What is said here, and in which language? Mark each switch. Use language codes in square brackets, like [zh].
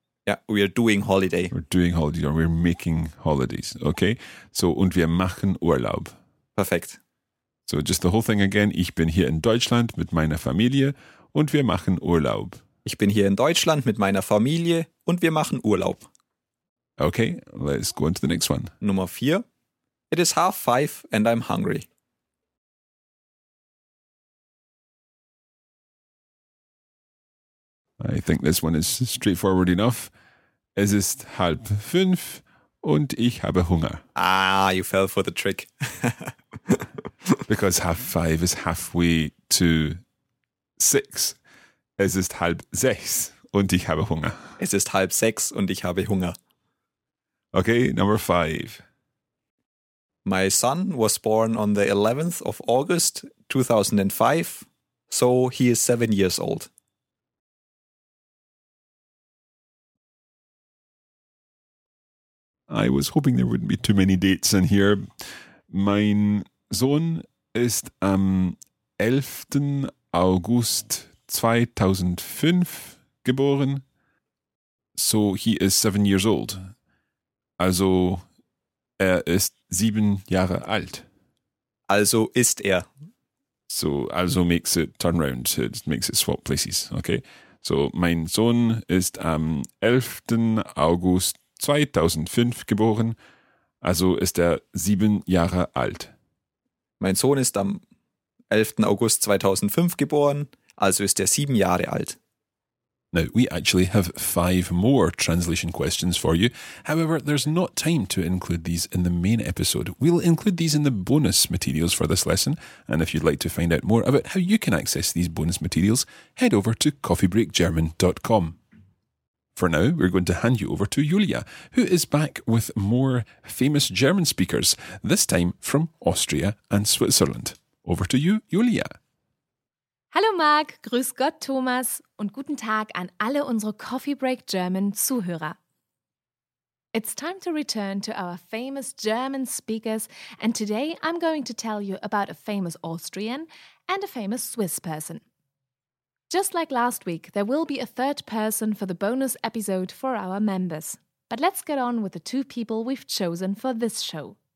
[en] Yeah, we are doing holiday. We're doing holiday or we're making holidays, okay? [de] So, und wir machen Urlaub. Perfekt. [en] So, just the whole thing again. [de] Ich bin hier in Deutschland mit meiner Familie und wir machen Urlaub. Ich bin hier in Deutschland mit meiner Familie und wir machen Urlaub. [en] Okay, let's go on to the next one. [de] Nummer vier. [en] It is 5:30 and I'm hungry. I think this one is straightforward enough. [de] Es ist 4:30 und ich habe Hunger. [en] Ah, you fell for the trick. Because 5:30 is halfway to 6. [de] Es ist 6:30 und ich habe Hunger. Es ist 6:30 und ich habe Hunger. [en] Okay, number 5. My son was born on the 11th of August 2005, so he is 7 years old. I was hoping there wouldn't be too many dates in here. [de] Mein Sohn ist am 11. August 2005 geboren. [en] So he is 7 years old. [de] Also er ist 7 Jahre alt. Also ist er. [en] So also makes it turn around. It makes it swap places. Okay. So [de] mein Sohn ist am 11. August 2005 geboren, also ist er 7 Jahre alt. Mein Sohn ist am 11. August 2005 geboren, also ist er 7 Jahre alt. [en] Now, we actually have 5 more translation questions for you. However, there's not time to include these in the main episode. We'll include these in the bonus materials for this lesson. And if you'd like to find out more about how you can access these bonus materials, head over to coffeebreakgerman.com. For now, we're going to hand you over to Julia, who is back with more famous German speakers, this time from Austria and Switzerland. Over to you, Julia. [de] Hallo Marc, grüß Gott Thomas und guten Tag an alle unsere Coffee Break German Zuhörer. [en] It's time to return to our famous German speakers, and today I'm going to tell you about a famous Austrian and a famous Swiss person. Just like last week, there will be a third person for the bonus episode for our members. But let's get on with the two people we've chosen for this show.